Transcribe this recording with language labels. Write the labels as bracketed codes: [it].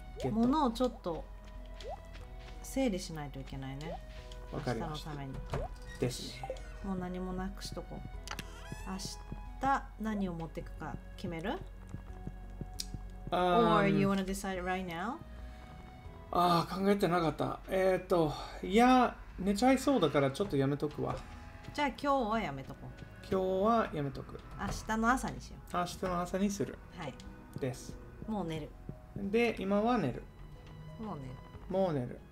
[ja] ものをちょっと整理しないといけないね。わかりました。明日のために。ですね。もう何もなくしとこう。明日。何を持っていくか決める [en] Or you want to decide right now? [ja] ああ、考えてなかった。いや、寝ちゃいそうだからちょっとやめとくわ。じゃあ今日はやめとこう。今日はやめとく。明日の朝にしよう。明日の朝にする。はい。です。もう寝る。で、今は寝る。もう寝る。もう寝る。